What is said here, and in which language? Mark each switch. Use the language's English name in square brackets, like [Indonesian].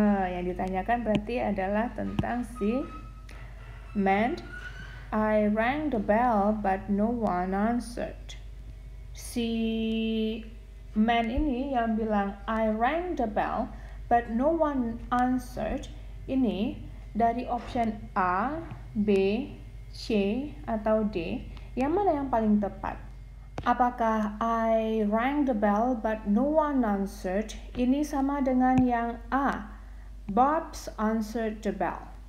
[Indonesian] Yang ditanyakan berarti adalah tentang si man. [English] I rang the bell, but no one answered. [Indonesian] Si man ini yang bilang [English] I rang the bell, but no one answered. [Indonesian] Ini dari option A, B, C, atau D. Yang mana yang paling tepat? Apakah [English] I rang the bell, but no one answered? [Indonesian] Ini sama dengan yang A, [English] Bob's answered the bell.